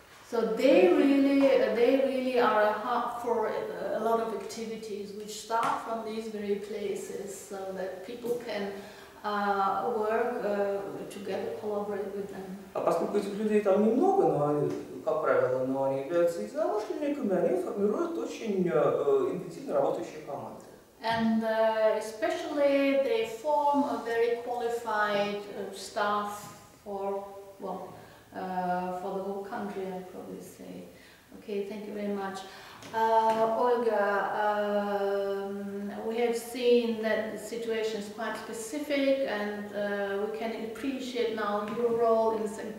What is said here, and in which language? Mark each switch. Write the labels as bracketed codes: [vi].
[en] So they really are a hub for a lot of activities which start from these very places, so that people can work together, collaborate with them. [ru] А поскольку этих людей там немного, но они, как правило, но они являются единомышленниками, они формируют очень интенсивно работающие команды. [en] And especially they form a very qualified staff for the whole country, I'd probably say. Okay, thank you very much. Olga, we have seen that the situation is quite specific, and we can appreciate now your role in St.